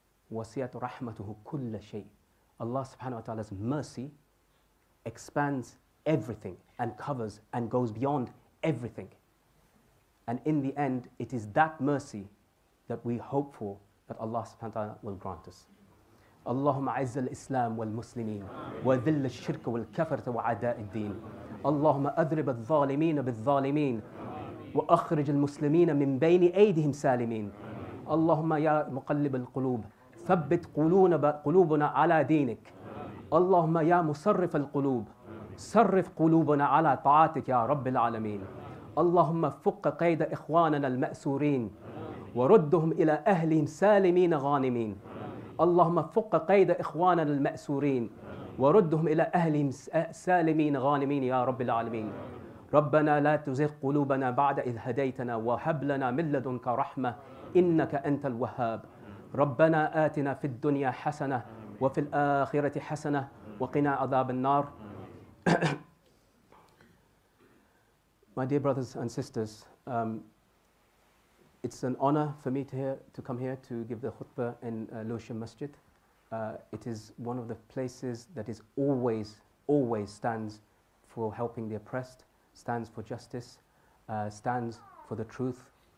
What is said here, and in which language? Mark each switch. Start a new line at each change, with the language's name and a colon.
Arabic: Wasiyat rahmatuhu kulla shay.
English: Allah subhanahu wa ta'ala's mercy expands everything and covers and goes beyond everything. And in the end, it is that mercy that we hope for that Allah subhanahu wa ta'ala will grant us.
Arabic: اللهم عز الإسلام والمسلمين وذل الشرك والكفرة وعداء الدين اللهم أضرب الظالمين بالظالمين وأخرج المسلمين من بين أيديهم سالمين اللهم يا مقلب القلوب ثبت قلوبنا على دينك اللهم يا مصرف القلوب صرف قلوبنا على طاعتك يا رب العالمين اللهم فك قيد إخواننا المأسورين وردهم إلى أهلهم سالمين غانمين اللهم فك قيد إخواننا المأسورين وردهم إلى أهلهم سالمين غانمين يا رب العالمين ربنا لا تزغ قلوبنا بعد إذ هديتنا وهب لنا من لدنك رحمة إنك أنت الوهاب ربنا آتنا في الدنيا حسنة وفي الآخرة حسنة وقنا عذاب النار.
English: My dear brothers and sisters, it's an honor for me to come here to give the khutbah in Lewisham Masjid. It is one of the places that is always stands for helping the oppressed, stands for justice, stands for the truth.